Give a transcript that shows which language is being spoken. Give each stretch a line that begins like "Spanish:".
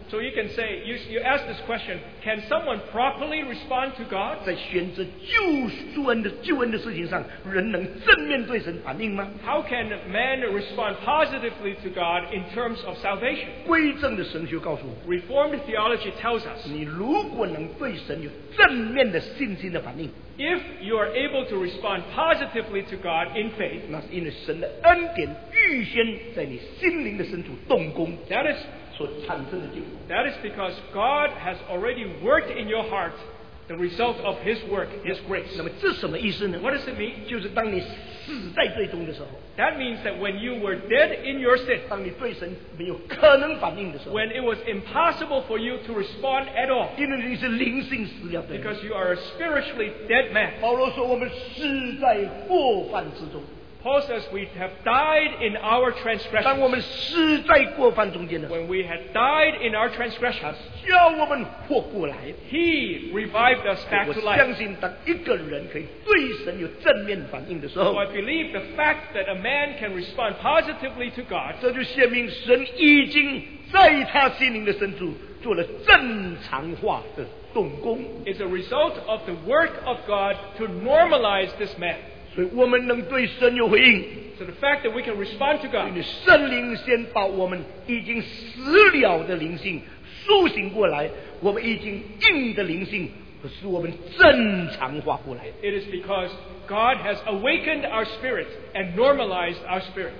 English: So you can say, you ask this question, can someone properly respond to God?
Chinese: 在选择救恩的事情上人能正面对神反应吗?
English: How can man respond positively to God in terms of salvation? Reformed theology tells us, if you are able to respond positively to God in faith, that is because God has already worked in your heart the result of his work, his grace.
Chinese: 那么这什么意思呢?
English: What does it mean?
Chinese: 就是当你死在罪中的时候,
English: that means that when you were dead in your sin,
Chinese: 当你对神没有可能反应的时候,
English: when it was impossible for you to respond at all,
Chinese: 因为你是灵性死了的人,
English: because you are a spiritually dead man.
Chinese: 保罗说我们死在过犯之中。
English: Paul says we have died in our transgressions. When we had died in our transgressions, he revived us back to life. So I believe the fact that a man can respond positively to God, is a result of the work of God to normalize this man. So the fact that we can respond to God,
Chinese: 圣灵先把我们已经死了的灵性苏醒过来，我们已经硬的灵性
English: It is because God has awakened our spirit and normalized our spirit.